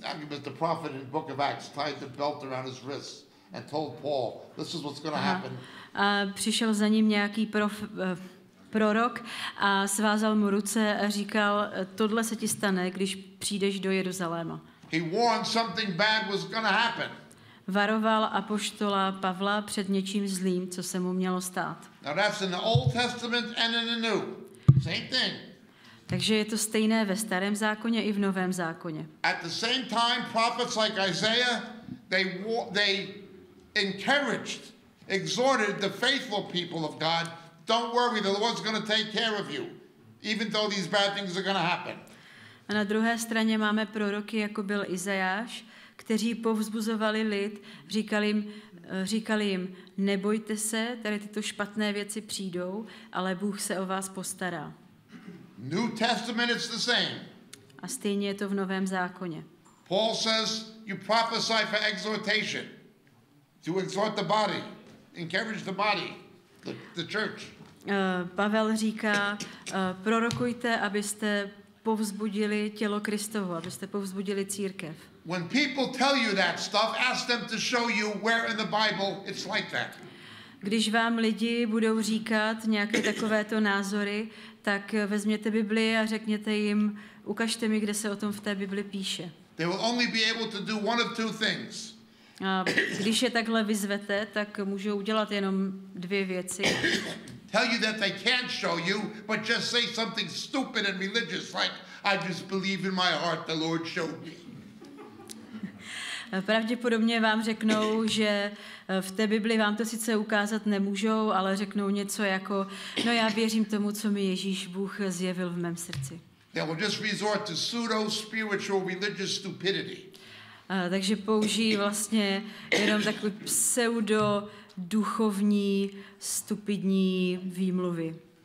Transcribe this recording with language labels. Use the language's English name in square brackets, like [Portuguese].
[English] Agabus, the prophet in the book of Acts, tied the belt around his wrist and told Paul, this is what's going to happen. [Czech] A přišel za ním nějaký prorok a svázal mu ruce a říkal, tohle se ti stane, když přijdeš do Jeruzaléma. [English] He warned something bad was going to happen. [Czech] Varoval apoštola Pavla před něčím zlým, co se mu mělo stát. [English] Now that's in the Old Testament and in the New. Same thing. [Czech] Takže je to stejné ve Starém zákoně i v Novém zákoně. [English] At the same time, prophets like Isaiah, they encouraged, exhorted the faithful people of God, don't worry, the Lord's going to take care of you, even though these bad things are going to happen. [Czech] A na druhé straně máme proroky, jako byl Izajáš, kteří povzbuzovali lid, říkali jim, nebojte se, tady tyto špatné věci přijdou, ale Bůh se o vás postará. [English] New Testament is the same. [Czech] A stejně je to v Novém zákoně. [English] Paul says, you prophesy for exhortation, to exhort the body, encourage the body, the church. [Czech] Pavel říká, prorokujte, abyste povzbudili tělo Kristovo, abyste povzbudili církev. [English] When people tell you that stuff, ask them to show you where in the Bible it's like that. [Czech] Když vám lidi budou říkat nějaké takovéto názory, tak vezměte Biblii a řekněte jim, ukažte mi, kde se o tom v té Bibli píše. [English] They will only be able to do one of two things. [Czech] A když je takhle vyzvete, tak můžou udělat jenom dvě věci. [English] Tell you that they can't show you, but just say something stupid and religious, like, I just believe in my heart the Lord showed me. [Czech] Pravděpodobně vám řeknou, že v té Bibli vám to sice ukázat nemůžou, ale řeknou něco jako, no já věřím tomu, co mi Ježíš Bůh zjevil v mém srdci. [English] They will just resort to pseudo-spiritual religious stupidity. [Czech] Takže použijí vlastně jenom takový pseudo-duchovní, stupidní výmluvy.